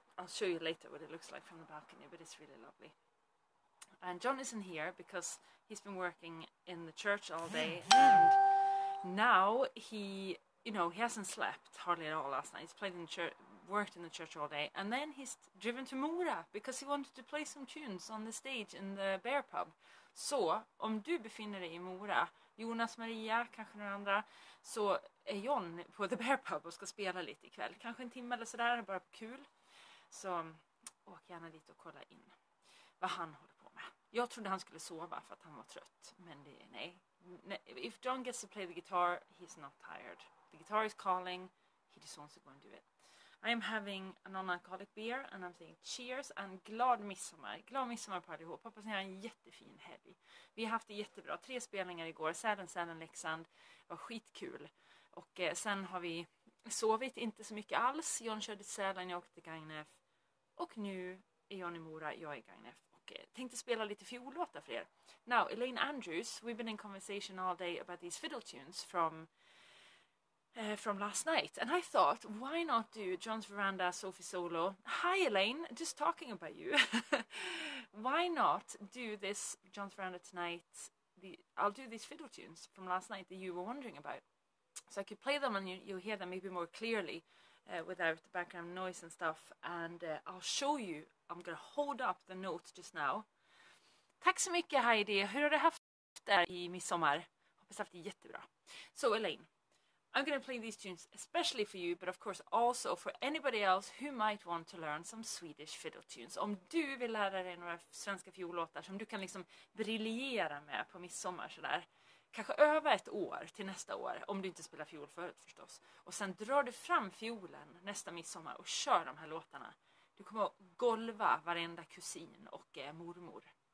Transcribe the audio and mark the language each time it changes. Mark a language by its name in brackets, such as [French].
[English] I'll show you later what it looks like from the balcony, but it's really lovely. And John isn't here because he's been working in the church all day. And now he... You know, he hasn't slept hardly at all last night. He's played in the church, worked in the church all day. And then he's driven to Mora because he wanted to play some tunes on the stage in the bear pub. [Swedish] Så, om du befinner dig I Mora, Jonas, Maria, kanske några andra, så är John på the bear pub och ska spela lite ikväll. Kanske en timme eller sådär, bara på kul. Så åk gärna dit och kolla in vad han håller på med. Jag trodde han skulle sova för att han var trött, men det är nej. [English] If John gets to play the guitar, he's not tired. The guitar is calling, he just wants to go and do it. I am having a non-alcoholic beer and I'm saying cheers and [Swedish] glad midsommar. Glad midsommar på allihop. Hoppas ni har en jättefin helg. Vi har haft det jättebra. 3 spelningar igår. Sälen, Leksand. Det var skitkul. Och sen har vi sovit inte så mycket alls. John körde Sälen, jag åkte Gagnef. Och nu är John I Mora, jag är Gagnef. Tänkte spela lite fiollåtar för er. [English] Now, Elaine Andrews, we've been in conversation all day about these fiddle tunes from last night. And I thought, why not do John's Veranda, Sophie Solo? Hi, Elaine, just talking about you. Why not do this John's Veranda tonight? I'll do these fiddle tunes from last night that you were wondering about. So I could play them and you'll hear them maybe more clearly without the background noise and stuff. And I'll show you. I'm going to hold up the note just now. [Swedish] Tack så mycket, Heidi. Hur har du haft det I midsommar? Hoppas haft det jättebra. [English] So, Elaine, I'm going to play these tunes especially for you, but of course also for anybody else who might want to learn some Swedish fiddle tunes. [Swedish] Om du vill lära dig några svenska fiollåtar som du kan liksom briljera med på midsommar sådär. Kanske öva ett år till nästa år, om du inte spelar fiol förut förstås. Och sen drar du fram fiolen nästa midsommar och kör de här låtarna. Du kommer att golva varenda kusin och mormor.